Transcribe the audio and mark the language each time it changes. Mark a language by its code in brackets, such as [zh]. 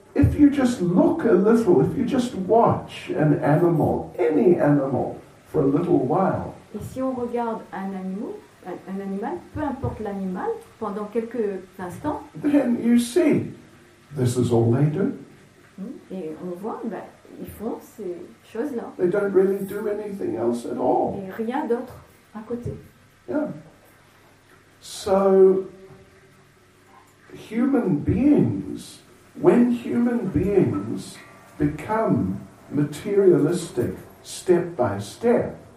[en] If you just look a little, if you just watch an animal, any animal, for a little while. [fr] Et si on regarde un animal, peu importe l'animal, pendant quelques instants. [en] Then you see, this is all they do. [fr] Et on voit, ils font ces choses-là. [en] They don't really do anything else at all. [fr] Et rien d'autre à côté. [en] Yeah. So, when human beings become materialistic step by step,